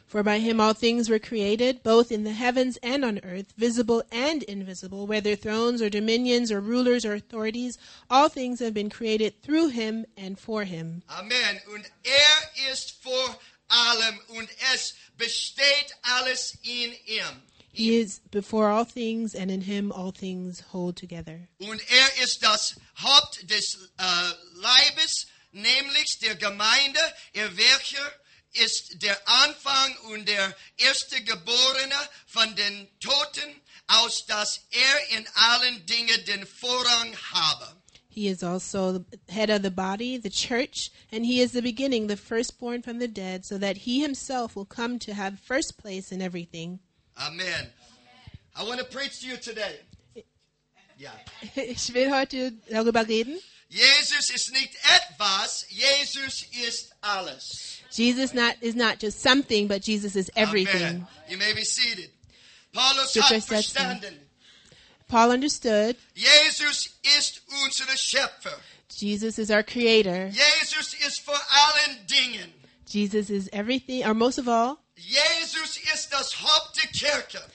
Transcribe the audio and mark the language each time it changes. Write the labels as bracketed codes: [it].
[en] For by him all things were created, both in the heavens and on earth, visible and invisible, whether thrones or dominions or rulers or authorities, all things have been created through him and for him. Amen. [de] Und ist vor allem, und es besteht alles in ihm. [en] He is before all things, and in him all things hold together. [de] Und ist das Haupt des Leibes, nämlich der Gemeinde, welcher ist der Anfang und der erste Geborene von den Toten, aus dass in allen Dingen den Vorrang habe. [en] He is also the head of the body, the church, and he is the beginning, the firstborn from the dead, so that he himself will come to have first place in everything. Amen. Amen. I want to preach to you today. Yeah. [de] Ich will heute darüber reden. Jesus ist nicht etwas, Jesus ist alles. [en] Jesus is not just something, but Jesus is everything. Amen. You may be seated. [de] Paulus hat verstanden. [en] Paul understood. [de] Jesus ist unser Schöpfer. [en] Jesus is our creator. [de] Jesus ist vor allen Dingen. [en] Jesus is everything, or most of all. [de] Jesus ist das Haupt der Kirche.